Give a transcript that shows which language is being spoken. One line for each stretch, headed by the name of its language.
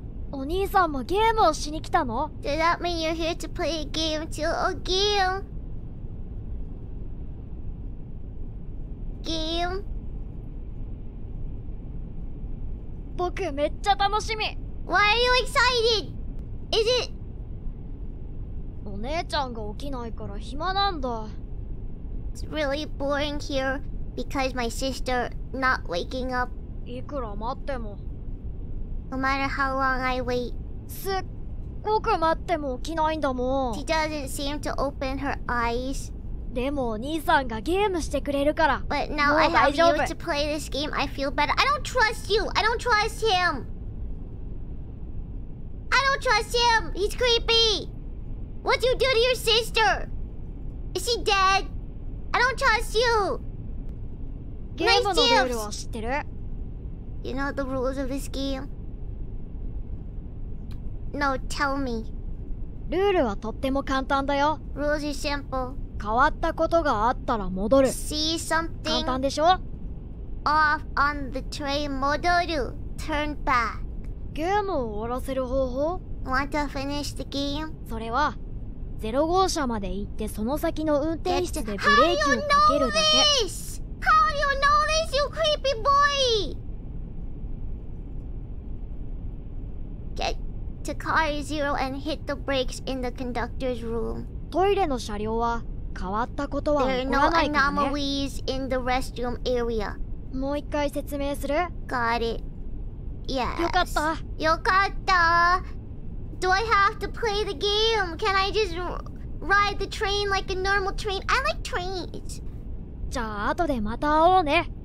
Japanese: お兄さんもゲームをしに来たの?
English: Does that mean you're here to play a game too? A game? Game?
Japanese: 僕めっちゃ楽しみ!
English: Why are you excited? Is it...
Japanese: お姉ちゃんが起きないから暇なんだ.
English: It's really boring here because my sister not waking up.
Japanese: いくら待っても
English: No matter how long I wait.
Japanese: すっごく待っても起きないんだもん.
English: She doesn't seem to open her eyes.
Japanese: でもお兄さんがゲームしてくれるから.
English: But now I have you to play this game, I feel better. I don't trust you! I don't trust him! I don't trust him! He's creepy! What'd you do to your sister? Is she dead? I don't trust you! Nice gifts! You know the rules of this game? No, tell me.
Japanese: ルールはとっても簡単だよ.
English: Rules are simple.
Japanese: 変わったことがあったら戻る.
English: See something
Japanese: 簡単でしょ?
English: Off on the train, 戻る.Turn back.
Japanese: ゲームを終わらせる方法?
English: Want to finish the game?
Japanese: それは 0号車まで行ってその先の運転室でブレーキをかけるだけ.
English: How do you know this? How do you know this, you creepy boy? Get to car 0 and hit the brakes in the conductor's room.
Japanese: トイレの車両は
English: There are no anomalies in the restroom area.
Japanese: もう一回説明する?
English: Got it. Yes.
Japanese: よかった。よかった。
English: Do I have to play the game? Can I just ride the train like a normal train? I like trains.
Japanese: じゃあ後でまた会おうね。